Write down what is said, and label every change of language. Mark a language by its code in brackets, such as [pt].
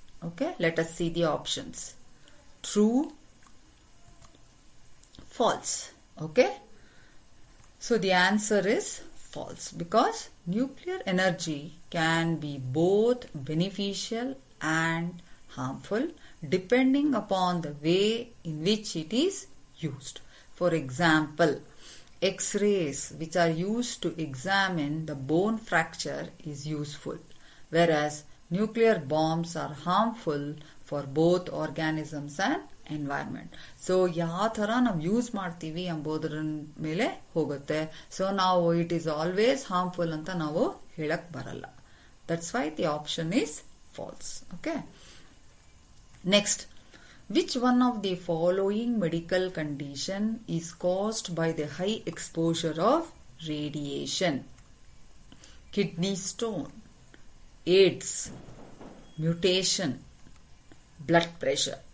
[en] Okay, let us see the options, true, false. Okay, so the answer is false, because nuclear energy can be both beneficial and harmful depending upon the way in which it is used. For example, X-rays which are used to examine the bone fracture is useful, whereas nuclear bombs are harmful for both organisms and environment. [kn] So ಯಾವ ತರ ನಾವು use ಮಾಡ್ತೀವಿ ಎಂಬುದರ ಮೇಲೆ ಹೋಗುತ್ತೆ. So ನಾವು [en] it is always harmful [kn] ಅಂತ ನಾವು ಹೇಳಕ್ ಬರಲ್ಲ. [en] That's why the option is false. Okay, next, which one of the following medical condition is caused by the high exposure of radiation? Kidney stone, AIDS, mutation, blood pressure.